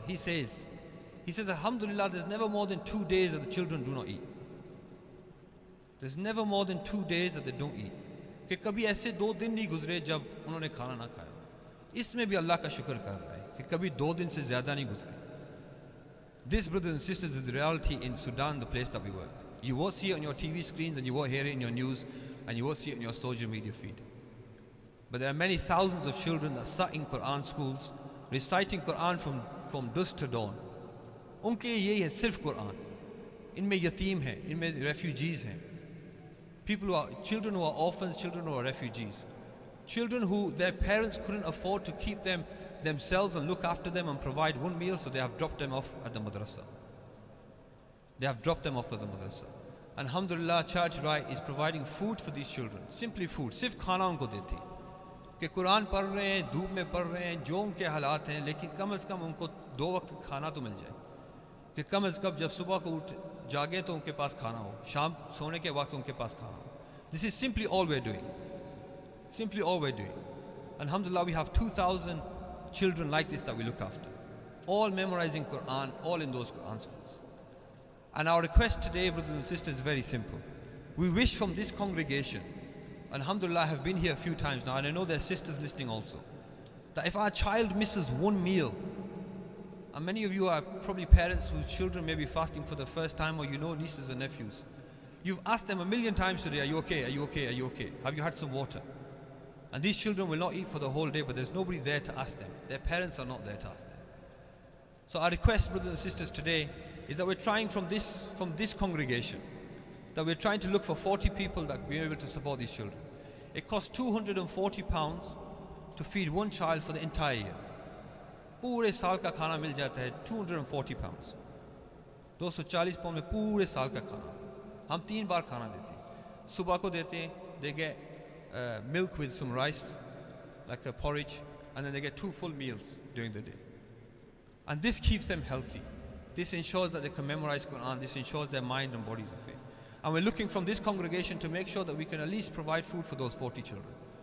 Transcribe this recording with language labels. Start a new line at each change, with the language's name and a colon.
English: He says, "Alhamdulillah, there's never more than 2 days that the children do not eat. There's never more than 2 days that they don't eat.
Urdu: کہ کبھی ایسے 2 دن نہیں گزرے جب انہوں نے کھانا نہ کھایا۔ اس میں بھی اللہ کا شکر کر رہے ہیں کہ کبھی 2 دن سے زیادہ نہیں گزرے۔"
English: This, brothers and sisters, is the reality in Sudan, the place that we work. You won't see it on your TV screens, and you won't hear it in your news, and you won't see it in your social media feed. But there are many thousands of children that sat in Quran schools, reciting Quran from dusk to dawn.
Urdu: ان کے یہی ہے صرف قرآن۔ ان میں یتیم ہے، ان میں refugees ہے۔
English: People who are, children who are orphans, children who are refugees. Children who their parents couldn't afford to keep them themselves and look after them and provide one meal, so they have dropped them off at the madrasa. They have dropped them off at the madrasa. And alhamdulillah, Charity Right is providing food for these children. Simply food.
Urdu: صرف کھانا ان کو دیتی۔ کہ قرآن پر رہے ہیں، دھوپ میں پر رہے ہیں، جو ان کے حالات ہیں، لیکن کم از کم ان کو دو وقت کھانا تو مل جائے۔ کہ کم از کم جب صبح کو اٹھ جاگے تو ان کے پاس کھانا ہو۔ شام سونے کے وقت ان کے پاس کھانا ہو۔
English: This is simply all we're doing. Simply all we're doing. And alhamdulillah, we have 2,000 children like this that we look after. All memorizing Quran, all in those Quran schools. And our request today, brothers and sisters, is very simple. We wish from this congregation, and alhamdulillah, I have been here a few times now, and I know there are sisters listening also, that if our child misses one meal, and many of you are probably parents whose children may be fasting for the first time, or you know nieces and nephews, you've asked them a million times today, "Are you okay? Are you okay? Are you okay? Have you had some water?" And these children will not eat for the whole day, but there's nobody there to ask them. Their parents are not there to ask them. So our request, brothers and sisters, today, is that we're trying from this congregation, that we're trying to look for 40 people that we're able to support these children. It costs £240 to feed one child for the entire year.
Urdu: پورے سال کا کھانا مل جاتا ہے، £240۔ 240 pound میں پورے سال کا کھانا۔ ہم تین بار کھانا دیتے۔ Subah ko dete,
English: they get milk with some rice, like a porridge, and then they get 2 full meals during the day. And this keeps them healthy. This ensures that they can memorize Quran. This ensures their mind and bodies are fit. And we're looking from this congregation to make sure that we can at least provide food for those 40 children.